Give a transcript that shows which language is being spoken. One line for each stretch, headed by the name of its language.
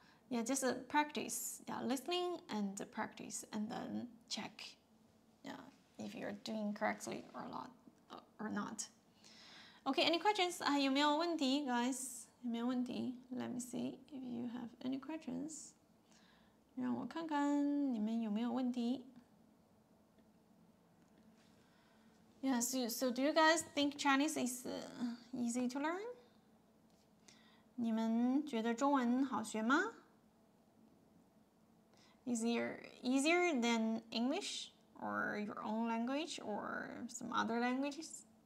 English: Yeah, just practice. Yeah, listening and practice. And then check if you're doing correctly or not. Okay, any questions?
Chinese: 有没有问题, guys? 有没有问题?
English: Let me see if you have any questions.
Chinese: 让我看看你们有没有问题。
English: Yeah, so do you guys think Chinese is easy to learn?
Chinese: 你们觉得中文好学吗?
English: Easier than English or your own language or some other languages?